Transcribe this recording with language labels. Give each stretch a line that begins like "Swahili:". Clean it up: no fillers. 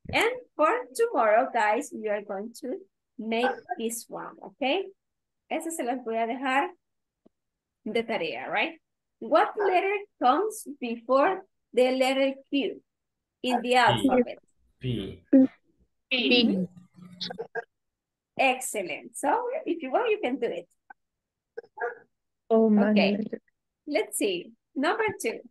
English: And for tomorrow, guys, we are going to make this one. Okay?
Spanish: Eso se las voy a dejar de tarea, right?
English: What letter comes before the letter Q in the alphabet? P. P. P. Excellent. So if you want, you can do it. Oh my. Okay. Let's see. Number two.